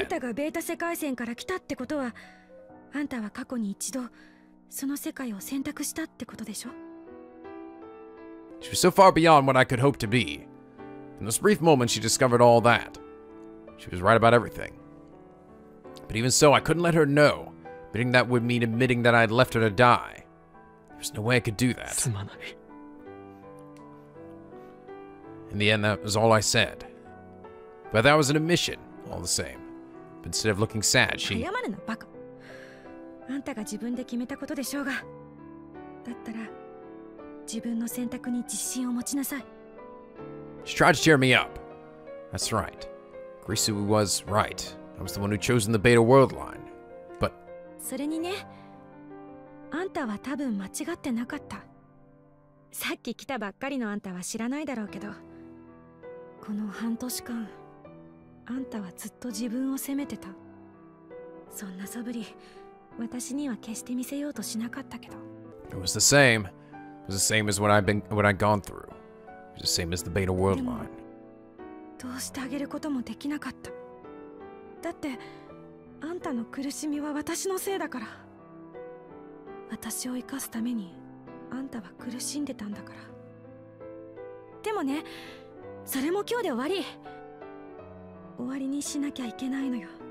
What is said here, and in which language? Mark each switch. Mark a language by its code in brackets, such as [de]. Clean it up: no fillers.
[ja] あんたがベータ世界線から来たってことは、あんたは過去に一度その世界を選択したってことでしょ? [en] She was so far beyond what I could hope to be. In this brief moment, she discovered all that. She was right about everything. But even so, I couldn't let her know, meaning that would mean admitting that I had left her to die. There was no way I could do that. [ja] すまない。 [en] In the end, that was all I said. But that was an admission, all the same. But instead of looking sad, she... [ja] 謝るな、バカ。あんたが自分で決めたことでしょうが。だったら、自分の選択に自信を持ちなさい。 [en] She tried to cheer me up. That's right. Grisu was right. I was the one who chosen the Beta World line. But... [ja] それにね、あんたは多分間違ってなかった。さっき来たばっかりのあんたは知らないだろうけど、この半年間、あんたはずっと自分を責めてた。そんな素振り、私には決して見せようとしなかったけど。 [en] It was the same. It was the same as what I'd gone through. It was the same as the Beta World line. [ja] どうしてあげることもできなかった。だって、あんたの苦しみは私のせいだから。私を生かすために、あんたは苦しんでたんだから。でもね、それも今日で終わり。終わりにしなきゃいけないのよ。